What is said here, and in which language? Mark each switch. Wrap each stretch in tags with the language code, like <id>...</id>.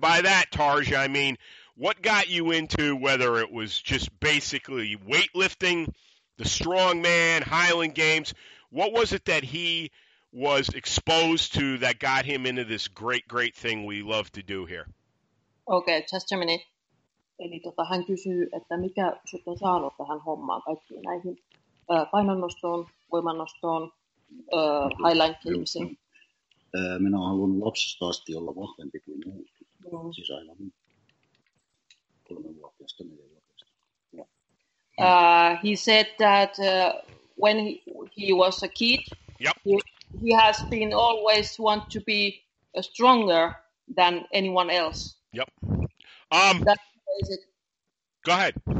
<en>And by that, Tarja, I mean, what got you into, whether it was just basically weightlifting, the strongman, Highland Games, what was it that he was exposed to that got him into this great, great thing we love to do here? Okay, just a minute.</en> <fi>Eli hän kysyy, että mikä sut on saanut tähän hommaan, kaikkiin näihin painonnostoon, voimannostoon, Highland Gamesiin. Minä olen halunnut lapsesta asti olla vahvempi kuin muut. Siis aina 3-vuotiaasta, 4-vuotiaasta.</fi> <en>He said that when he was a kid, yep, he has been always want to be stronger than anyone else. Yep. That is it. Go ahead.</en>